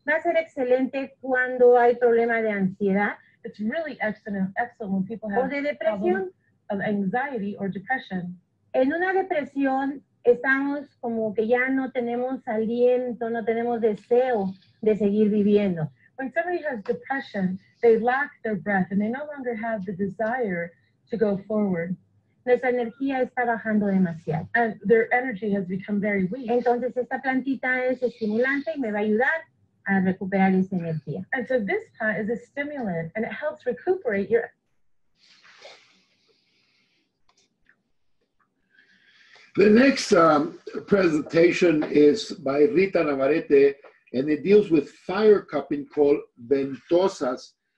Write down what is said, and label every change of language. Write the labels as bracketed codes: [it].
[es] Va a ser excelente cuando hay problema de ansiedad. [en] It's really excellent when people have de problems of anxiety or depression. [es] En una depresión estamos como que ya no tenemos aliento, no tenemos deseo de seguir viviendo. [en] When somebody has depression, they lack their breath and they no longer have the desire to go forward. [es] Nuestra energía está bajando demasiado. [en] And their energy has become very weak. [es] Entonces esta plantita es estimulante y me va a ayudar a recuperar esa energía. [en] And so this plant is a stimulant and it helps recuperate your... The next presentation is by Rita Navarrete. And it deals with fire cupping called ventosas.